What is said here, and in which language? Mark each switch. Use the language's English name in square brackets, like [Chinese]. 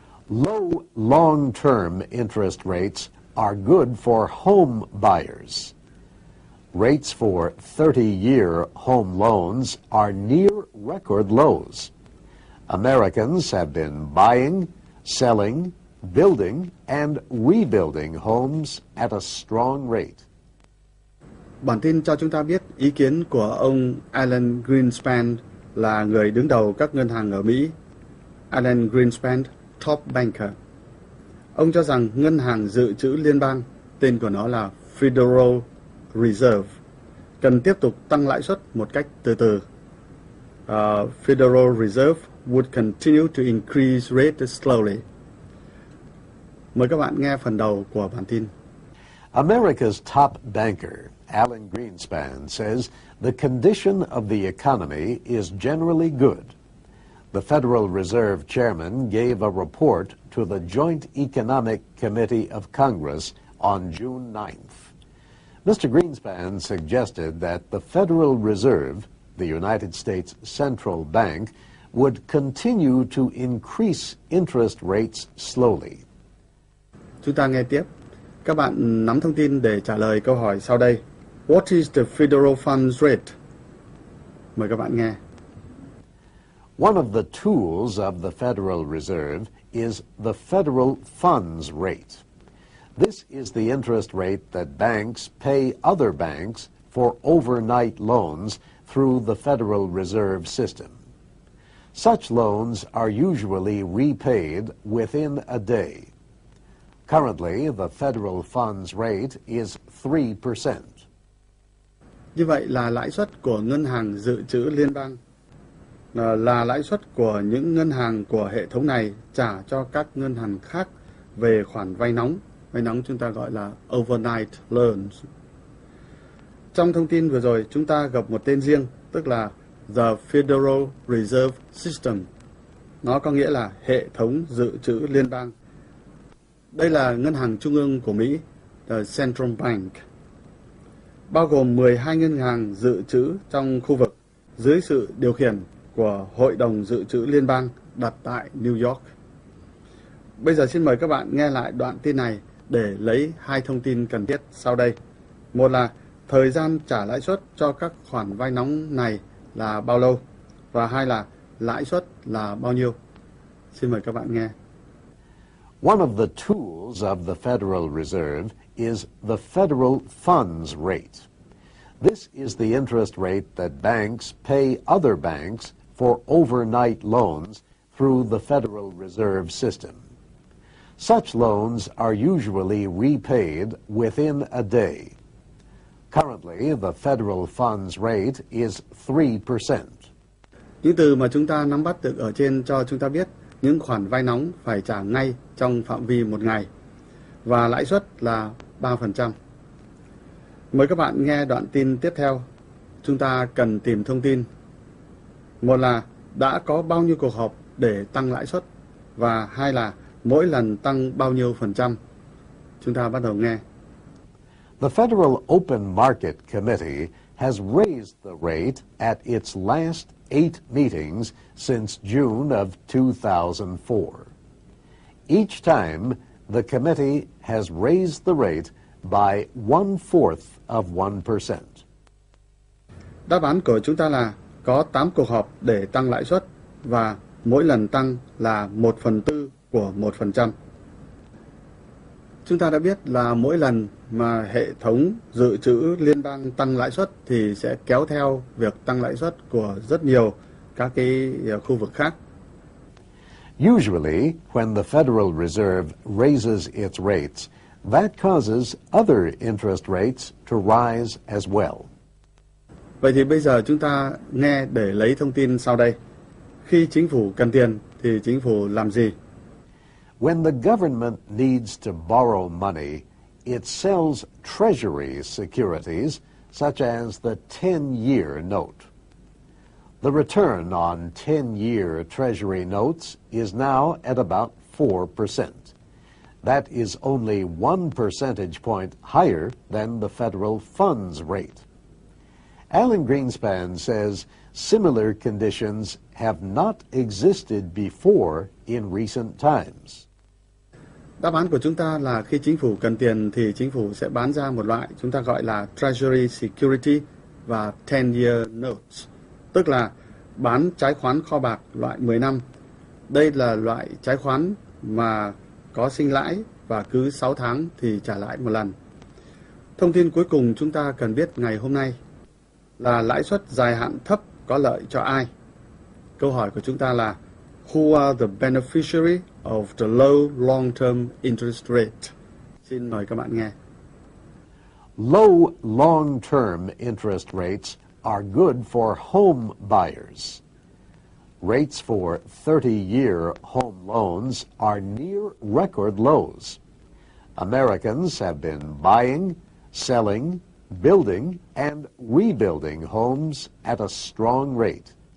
[English] Low long-term interest rates are good for home buyers. Rates for 30-year home loans are near record lows. Americans have been buying, selling, building, and rebuilding homes at a strong rate. [Vietnamese] Bản tin cho chúng ta biết ý kiến của ông Alan Greenspan là người đứng đầu các ngân hàng ở Mỹ. Alan Greenspan, [English] top banker. [Vietnamese] Ông cho rằng ngân hàng dự trữ liên bang, tên của nó là Federal Reserve, cần tiếp tục tăng lãi suất một cách từ từ. [English] Federal Reserve would continue to increase rates slowly. [Vietnamese] Mời các bạn nghe phần đầu của bản tin. [English] America's top banker, Alan Greenspan, says the condition of the economy is generally good. The Federal Reserve Chairman gave a report to the Joint Economic Committee of Congress on June 9th. Mr. Greenspan suggested that the Federal Reserve, the United States Central Bank, would continue to increase interest rates slowly. [Vietnamese] Chúng ta nghe tiếp. Các bạn nắm thông tin để trả lời câu hỏi sau đây. [English] What is the federal funds rate? [Vietnamese] Mời các bạn nghe. [English] One of the tools of the Federal Reserve is the federal funds rate. This is the interest rate that banks pay other banks for overnight loans through the Federal Reserve system. Such loans are usually repaid within a day. Currently, the federal funds rate is 3%. [Vietnamese] Như vậy là lãi suất của ngân hàng dự trữ liên bang là lãi suất của những ngân hàng của hệ thống này trả cho các ngân hàng khác về khoản vay nóng. Vay nóng chúng ta gọi là [English] overnight loans. [Vietnamese] Trong thông tin vừa rồi, chúng ta gặp một tên riêng, tức là The Federal Reserve System. Nó có nghĩa là hệ thống dự trữ liên bang. Đây là ngân hàng trung ương của Mỹ, The Central Bank. Bao gồm 12 ngân hàng dự trữ trong khu vực dưới sự điều khiển của Hội đồng Dự trữ Liên bang đặt tại New York. Bây giờ xin mời các bạn nghe lại đoạn tin này để lấy hai thông tin cần thiết sau đây. Một là thời gian trả lãi suất cho các khoản vay nóng này là bao lâu? Và hai là lãi suất là bao nhiêu? Xin mời các bạn nghe. [English] One of the tools of the Federal Reserve is the federal funds rate. This is the interest rate that banks pay other banks for overnight loans through the Federal Reserve System. Such loans are usually repaid within a day. Currently, the federal funds rate is 3%. [Vietnamese] Những từ mà chúng ta nắm bắt được ở trên cho chúng ta biết những khoản vay nóng phải trả ngay trong phạm vi một ngày và lãi suất là 3%. Mời các bạn nghe đoạn tin tiếp theo. Chúng ta cần tìm thông tin. Một là đã có bao nhiêu cuộc họp để tăng lãi suất và hai là mỗi lần tăng bao nhiêu phần trăm. Chúng ta bắt đầu nghe. [English] The Federal Open Market Committee has raised the rate at its last 8 meetings since June of 2004. Each time, the committee has raised the rate by 1/4 of 1%. [Vietnamese] Đáp án của chúng ta là có 8 cuộc họp để tăng lãi suất và mỗi lần tăng là 1/4 của 1%. Chúng ta đã biết là mỗi lần mà hệ thống dự trữ liên bang tăng lãi suất thì sẽ kéo theo việc tăng lãi suất của rất nhiều các cái khu vực khác. [English] Usually, when the Federal Reserve raises its rates, that causes other interest rates to rise as well. [Vietnamese] Vậy thì bây giờ chúng ta nghe để lấy thông tin sau đây. Khi chính phủ cần tiền thì chính phủ làm gì? [English] When the government needs to borrow money, it sells treasury securities such as the 10-year note. The return on 10-year treasury notes is now at about 4%. That is only 1 percentage point higher than the federal funds rate. Alan Greenspan says similar conditions have not existed before in recent times. [Vietnamese] Đáp án của chúng ta là khi chính phủ cần tiền thì chính phủ sẽ bán ra một loại chúng ta gọi là Treasury Security và 10-year notes, tức là bán trái khoán kho bạc loại 10 năm. Đây là loại trái khoán mà có sinh lãi và cứ 6 tháng thì trả lãi một lần. Thông tin cuối cùng chúng ta cần biết ngày hôm nay là lãi suất dài hạn thấp có lợi cho ai? Câu hỏi của chúng ta là [English] Who are the beneficiary of the low long-term interest rate? [Vietnamese] Xin mời các bạn nghe. [English] Low long-term interest rates are good for home buyers. Rates for 30-year home loans are near record lows. Americans have been buying, selling, building, and rebuilding homes at a strong rate.